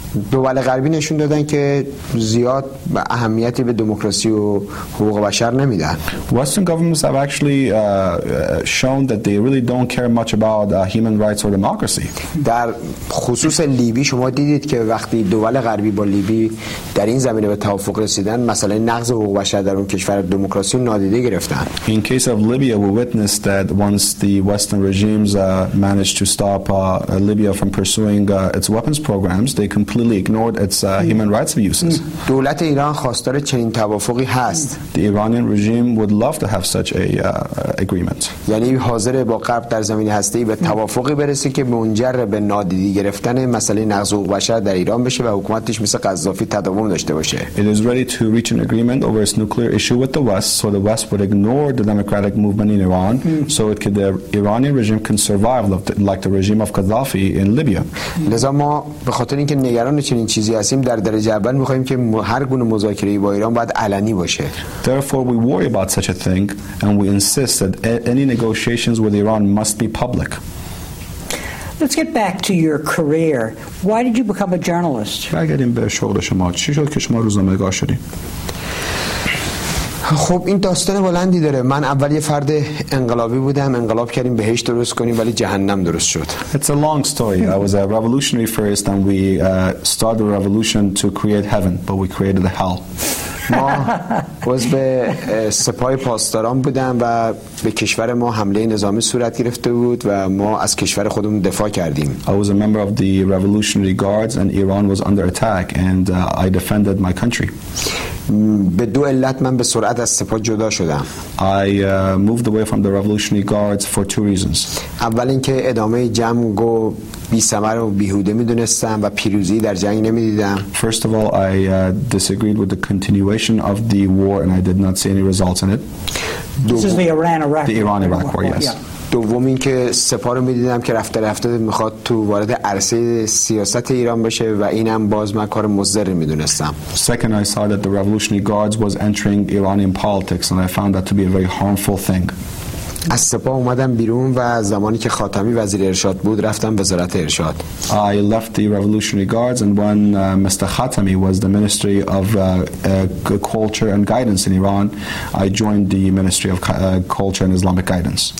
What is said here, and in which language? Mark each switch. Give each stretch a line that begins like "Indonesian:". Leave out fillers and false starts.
Persian: دول غربی نشون دادن که زیاد اهمیتی به دموکراسی و حقوق بشر نمیدن.
English: Western governments have actually shown that they really don't care much about human rights or democracy.
Persian: در خصوص لیبی شما دیدید که وقتی دول غربی با لیبی در این زمینه به توافق رسیدن، مثلا نقض حقوق بشر در اون کشور دموکراسی رو نادیده گرفتن.
English: In case of Libya, we witnessed that once the Western regimes managed to stop Libya from pursuing its weapons programs, they completely ignored its human rights abuses.
Persian: دولت ایران خواستار چنین توافقی هست.
English: The Iranian regime would love to have such a agreement.
Persian: یعنی حاضر با غرب در زمینه هسته‌ای به توافقی برسه که منجر به نادیده گرفتن مسئله نقض حقوق بشر در ایران بشه و حکومتش مثل قذافی تداوم داشته باشه.
English: It is ready to reach an agreement over its nuclear issue with the West, so the West would ignore the democratic movement in Iran, so it could the Iranian regime can survive like the regime of Gaddafi in Libya.
Persian: لذا ما به خاطر اینکه نگران چنین چیزی هستیم، در درجه اول می‌خوایم که هر گونه مذاکره‌ای با ایران باید علنی باشه.
English: Therefore we worry about such a thing and we insist that any negotiations with Iran must be public. Let's get back to your career. Why did you become a journalist?
Persian: برگردیم به شغل شما. چی شد که شما روزنامه‌نگار شدید؟ خب این داستان بلندی داره. من اول یه فرد انقلابی بودم، انقلاب کردیم بهشت درست کنیم، ولی جهنم درست شد.
English: It's a long story. I was a revolutionary first and we started a revolution to create heaven, but we created the hell.
Persian: ما عضو به سپاه پاسداران بودم و به کشور ما حمله نظامی صورت گرفته بود و ما از کشور خودمون دفاع کردیم.
English: I was a member of the revolutionary guards and Iran was under attack and I defended my country.
Persian: به دو علت من به سرعت از سپاه جدا شدم.
English: I moved away from the revolutionary guards for two reasons.
Persian: اول اینکه ادامه جنگو بی ثمر و بیهوده میدونستم و پیروزی در جنگ نمیدیدم.
English: First of all, I disagreed with the continuation of the war and I did not see any results in it. This is the Iran-Iraq. The Iran-Iraq war, yes. Yeah.
Persian: دوم این که سپاه رو می‌دیدم که رفته رفته می‌خواد تو وارد عرصه سیاست ایران بشه و اینم باز من کار مضر می‌دونستم.
English: Second, I saw that the Revolutionary Guards was entering Iranian politics and I found that to be a very harmful thing.
Persian: از سپاه اومدم بیرون و زمانی که خاتمی وزیر ارشاد بود رفتم وزارت ارشاد.
English: I left the Revolutionary Guards and when Mr. Khatami was the Ministry of Culture and Guidance in Iran, I joined the Ministry of Culture and Islamic Guidance.